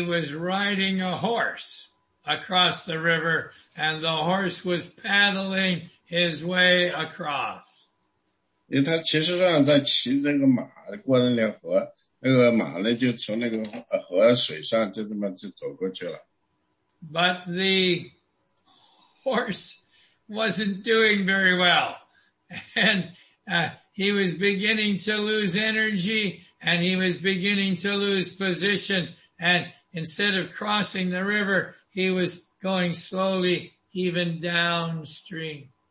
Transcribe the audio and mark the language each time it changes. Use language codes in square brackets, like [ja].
[en] was riding a horse across the river, and the horse was paddling his way across. [zh] 因为他其实上在骑这个马过那条河，那个马呢就从那个河水上就这么就走过去了。 [en] But the horse wasn't doing very well. And he was beginning to lose energy and he was beginning to lose position. And instead of crossing the river, he was going slowly even downstream.